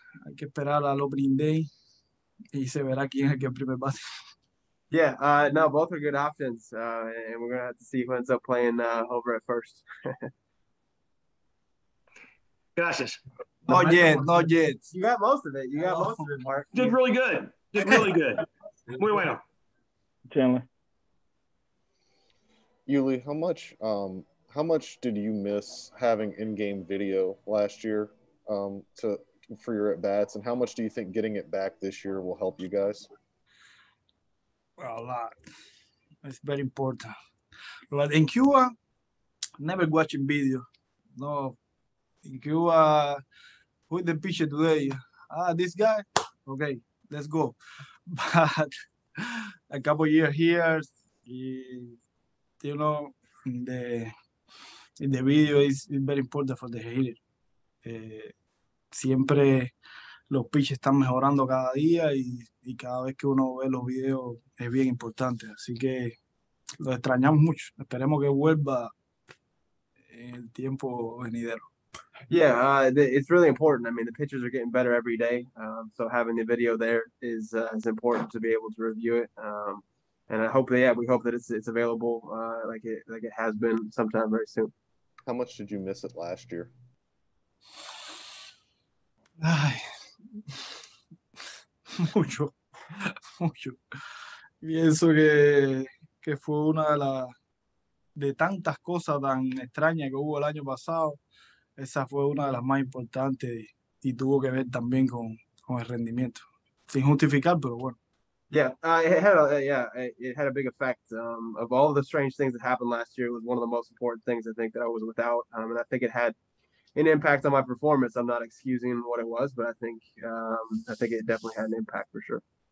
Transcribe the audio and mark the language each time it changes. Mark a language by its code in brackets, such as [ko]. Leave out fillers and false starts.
[es] Hay que esperar al opening day y se verá quién es el que primer base. [en] Yeah, no, both are good options, and we're gonna have to see who ends up playing over at first. [es] Gracias. [en] Not yet, not yet. You got most of it. You got most of it, Mark. Did really good. Did really good. [es] Muy bueno. [en] Chandler. Yuli, how much did you miss having in-game video last year for your at-bats, and how much do you think getting it back this year will help you guys? Well, a lot. It's very important. But in Cuba, never watching video. No. In Cuba, who is the pitcher today? This guy? Okay, let's go. But a couple of years here, in the video is very important for the hitter. [es] Siempre los pitches están mejorando cada día y cada vez que uno ve los videos es bien importante. Así que lo extrañamos mucho. Esperemos que vuelva en el tiempo venidero. [en] Yeah, it's really important. I mean, the pitchers are getting better every day, so having the video there is important to be able to review it. And I hope, we hope that it's available like it has been sometime very soon. How much did you miss it last year? [es] Ay, mucho, mucho. Pienso que fue una de las de tantas cosas tan extrañas que hubo el año pasado. Esa fue una de las más importantes y tuvo que ver también con el rendimiento. Sin justificar, pero bueno. [en] Yeah, it had a big effect. Of all of the strange things that happened last year, it was one of the most important things, I think, that I was without. And I think it had an impact on my performance. I'm not excusing what it was, but I think it definitely had an impact for sure.